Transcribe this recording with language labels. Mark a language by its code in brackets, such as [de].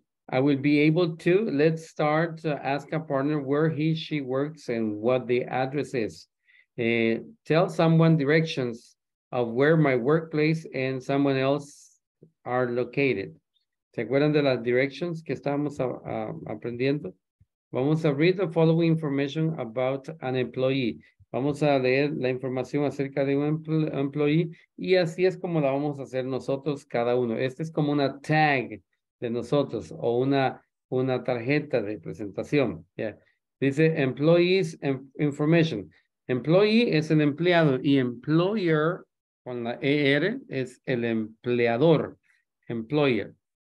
[en] I will be able to, let's start to ask a partner where he, she works and what the address is. Tell someone directions of where my workplace and someone else are located. [es] ¿Se acuerdan de las directions que estamos aprendiendo? Vamos a [en] read the following information about an employee. [es] Vamos a leer la información acerca de un employee y así es como la vamos a hacer nosotros cada uno. Este es como una tag de nosotros, o una tarjeta de presentación. Yeah. Dice, [en] employees information. [es] Employee es el empleado, y employer, con la ER, es el empleador, employer.